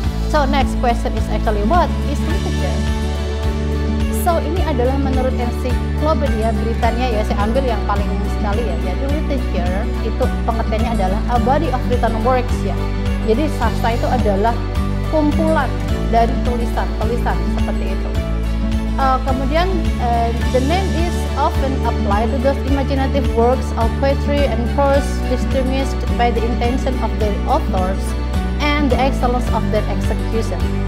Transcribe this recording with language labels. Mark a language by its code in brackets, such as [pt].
[en] So next question is actually what is literature? [id] So ini adalah menurut ensiklopedia Britania ya, saya ambil yang paling umum sekali ya. Jadi literature itu pengertiannya adalah [en] a body of written works [id] ya. Jadi sastra itu adalah kumpulan dari tulisan-tulisan seperti itu. Kemudian [en] the name is often applied to those imaginative works of poetry and prose distinguished by the intention of their authors and the excellence of their execution.